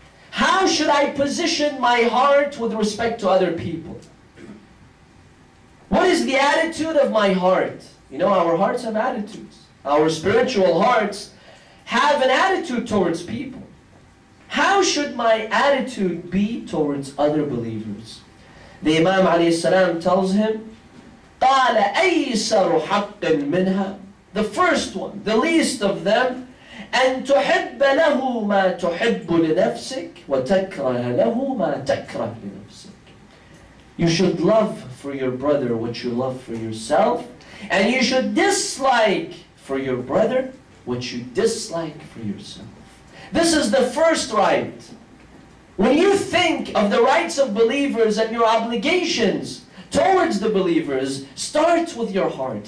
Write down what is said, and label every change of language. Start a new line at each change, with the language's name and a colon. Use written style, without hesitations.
English: How should I position my heart with respect to other people? What is the attitude of my heart?" You know, our hearts have attitudes. Our spiritual hearts have an attitude towards people. How should my attitude be towards other believers? The Imam alayhi salam tells him,
Arabic: قَالَ أَيْسَرُ حَقٍ مِنْهَا,
English: the first one, the least of them,
Arabic: أَن تُحِبَّ لَهُ مَا تُحِبُّ لِنَفْسِكَ وَتَكْرَهَ لَهُ مَا تَكْرَهُ لِنَفْسِكَ.
English: You should love for your brother what you love for yourself, and you should dislike for your brother what you dislike for yourself. This is the first right. When you think of the rights of believers and your obligations towards the believers, starts with your heart.